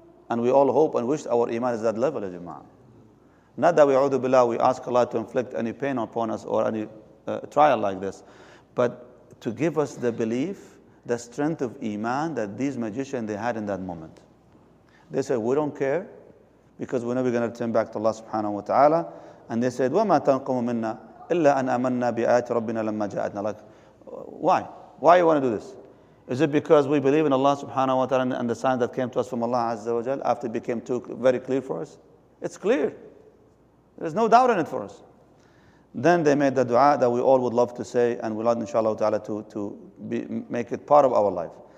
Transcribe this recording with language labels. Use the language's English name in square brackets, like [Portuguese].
[English] And we all hope and wish our iman is that level of iman. Not that we ask Allah to inflict any pain upon us or any trial like this, but to give us the belief, the strength of iman that these magicians, they had in that moment. They said, we don't care, because we know we're going to return back to Allah subhanahu wa ta'ala. And they said, [Arabic] وَمَا تَنْقُمُ مِنَّا إِلَّا أَنْ أَمَنَّا بِآيَاتِ رَبِّنَا لَمَّا جَاءَتْنَا. [English] Like, why? Why you want to do this? Is it because we believe in Allah subhanahu wa ta'ala and the signs that came to us from Allah azza wa jal after it became too very clear for us? It's clear. There's no doubt in it for us. Then they made the dua that we all would love to say, and we'll love, inshallah ta'ala, to make it part of our life.